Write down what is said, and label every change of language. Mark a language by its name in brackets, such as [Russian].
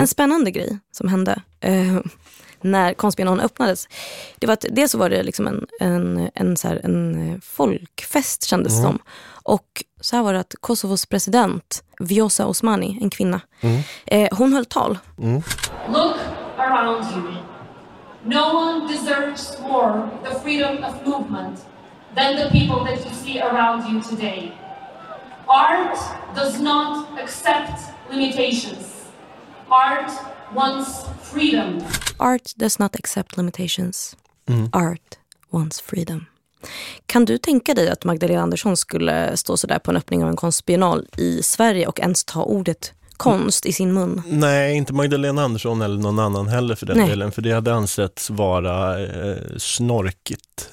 [Swedish] En spännande grej som hände när konstbiennalen öppnades, det var att dels var det liksom en folkfest, kändes som. Och så här var det, att Kosovos president Vjosa Osmani, en kvinna, hon höll tal. [English] Look around you. No one deserves more the freedom of movement than the people that you see around you today. Art does not accept limitations. Art wants freedom. Art does not accept limitations. Art wants freedom. [Swedish] Kan du tänka dig att Magdalena Andersson skulle stå så där på en öppning av en konstbiennal i Sverige och ens ta ordet konst i sin mun? Nej, inte Magdalena Andersson eller någon annan heller för den delen, för det hade ansetts vara snorkigt.